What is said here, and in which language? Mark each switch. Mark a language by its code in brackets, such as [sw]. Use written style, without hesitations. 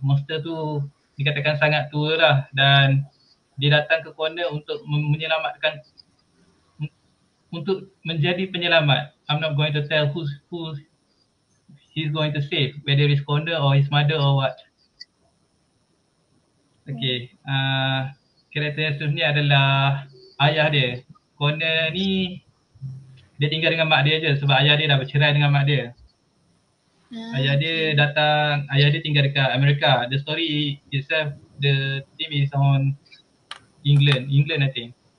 [ms] Monster tu dikatakan sangat tua lah, dan dia datang ke Connor untuk menyelamatkan, untuk menjadi penyelamat. [en] I'm not going to tell who he's going to save, whether it's Connor or his mother or what. [ms] Okay, karakter yang seterusnya adalah ayah dia. Connor ni dia tinggal dengan mak dia je sebab ayah dia dah bercerai dengan mak dia. Ayah dia datang, ayah dia tinggal dekat Amerika. [en] The story itself, the team is on England, England I think.